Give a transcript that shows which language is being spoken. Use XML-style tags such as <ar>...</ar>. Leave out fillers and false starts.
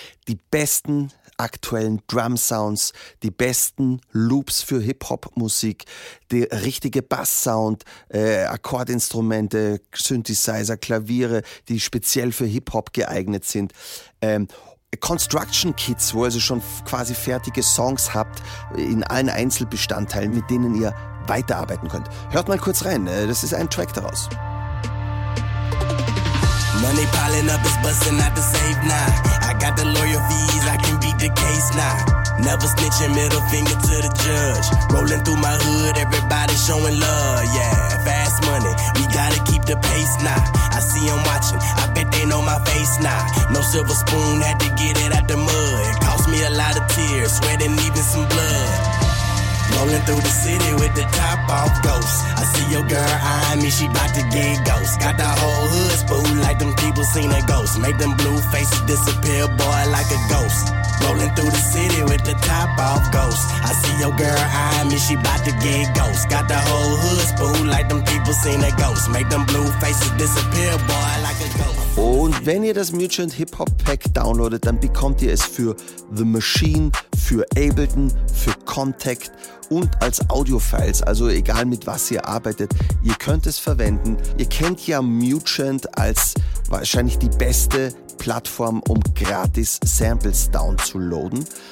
<de>Die besten aktuellen Drum-Sounds, die besten Loops für Hip-Hop-Musik, der richtige Bass-Sound, Akkordinstrumente, Synthesizer, Klaviere, die speziell für Hip-Hop geeignet sind. Construction Kits, wo ihr also schon quasi fertige Songs habt, in allen Einzelbestandteilen, mit denen ihr weiterarbeiten könnt. Hört mal kurz rein, das ist ein Track daraus.</de> <en>Money piling up, it's busting out the safe now. I got the lawyer fees, I can beat the case now. Never snitching, middle finger to the judge. Rolling through my hood, everybody showing love, yeah. Fast money, we gotta keep the pace now. I see them watching, I bet they know my face now. No silver spoon, had to get it out the mud. It cost me a lot of tears, sweating even some blood. Rolling through the city with the top off ghost. I see your girl eyeing me, she bout to get ghost. Got the whole hood spooked like them people seen a ghost. Make them blue faces disappear, boy, like a ghost. Rolling through the city with the top off ghost. I see your girl eyeing me, she bout to get ghost. Got the whole hood spooked like them people seen a ghost. Make them blue faces disappear, boy, like a ghost.</en> <de>Und wenn ihr das Mutant Hip Hop Pack downloadet, dann bekommt ihr es für The Machine, für Ableton, für Kontakt und als Audio-Files, also egal mit was ihr arbeitet, ihr könnt es verwenden. Ihr kennt ja Mutant als wahrscheinlich die beste Plattform, um gratis Samples downzuloaden.</de>